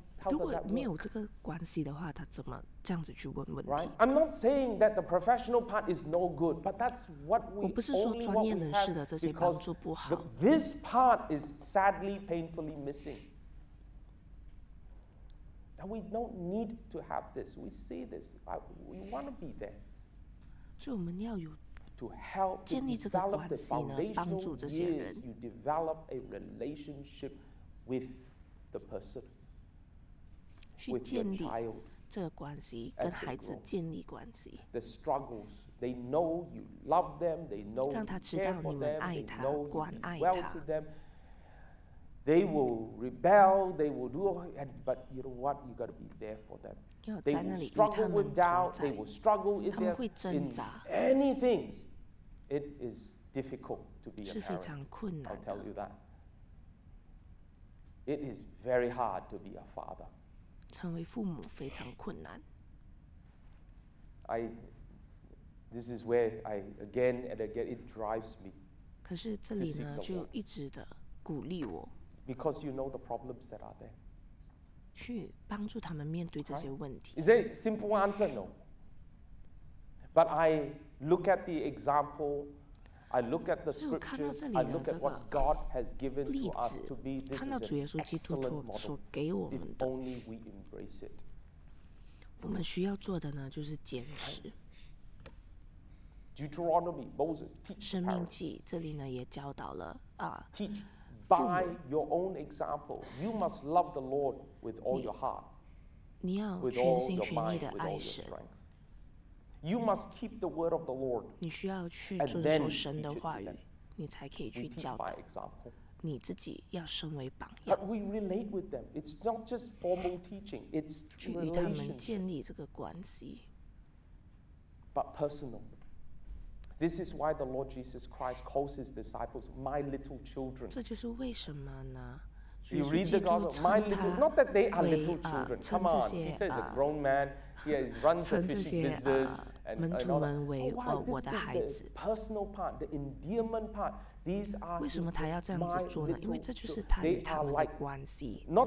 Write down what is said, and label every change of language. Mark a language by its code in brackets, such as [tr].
[zh] 如果没有这个关系的话，他怎么这样子去问问题 [en] ？I'm not saying that the professional part is no good, but that's what we [zh] 我不是说专业人士的这些帮助不好。 [en] This part is sadly, painfully missing. That we don't need to have this. We see this. We want to be there. [zh] 所以我们要有。 [en] To help develop the foundational years, you develop a relationship with the person, with the child. [zh] 这个关系跟孩子建立关系。 [en] The struggles, they know you love them. They know you care for them. They know you well to them. They will rebel. They will do. But you know what? You got to be there for them. They will struggle with doubt. They will struggle if they're in anything. It is difficult to be a parent. [zh] 是非常困难的。 [en] I'll tell you that. It is very hard to be a father. [zh] 成为父母非常困难。 [en] This is where I again and again it drives me. [zh] 可是这里呢，就一直的鼓励我。 [en] Because you know the problems that are there. [zh] 去帮助他们面对这些问题。 [en] Is there a simple answer? No. But I. Look at the example. I look at the scriptures. I look at what God has given to us to be this is an excellent model. If only we embrace it. [zh] 我们需要做的呢，就是坚持。 [en] Deuteronomy, Moses, teach. [zh] 生命记这里呢也教导了啊。 [en] Teach by your own example. You must love the Lord with all your heart. [zh] 你要全心全意的爱神。 [en] You must keep the word of the Lord. [zh] 你需要去遵守神的话语，你才可以去教导。 [en] We teach by example. [zh] 你自己要身为榜样。 [en] But we relate with them. It's not just formal teaching. It's relationship. [zh] 去与他们建立这个关系。 [en] But personal. This is why the Lord Jesus Christ calls his disciples my little children. [zh] 这就是为什么呢？ [en] You read the gospel, my little, not that they are little children. Come on, Peter is a grown man. He runs a fishing business. And all that. Oh, wow, this is the personal part, the endearment part. [zh] 为什么他要这样子做呢？因为这就是他与他们的关系。